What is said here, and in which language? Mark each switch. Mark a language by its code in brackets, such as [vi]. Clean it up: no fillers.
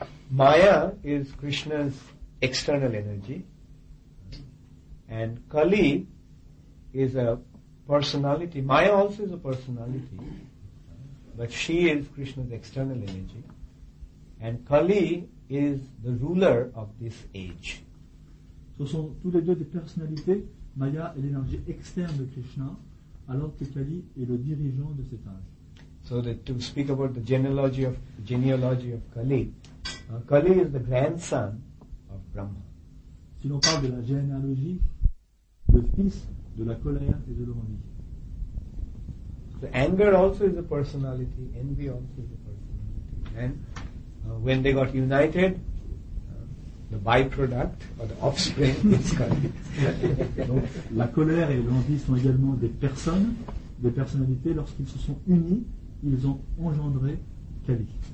[en] Maya is Krishna's external energy, and Kali is a personality. Maya also is a personality, but she is Krishna's external energy, and Kali is the ruler of this age. [fr] Ce sont tous les deux des personnalités. Maya est l'énergie externe de Krishna, alors que Kali est le dirigeant de cet âge. [en] So that to speak about the genealogy of Kali, Kali is the grandson of Brahma. [fr] Si l'on parle de la généalogie, le fils de la colère et de l'envie. [en] The anger also is a personality, envy also is a personality. And when they got united, the byproduct or the offspring is Kali. [fr] Donc la colère et l'envie sont également des personnes, des personnalités. Lorsqu'ils se sont unis, ils ont engendré Kali.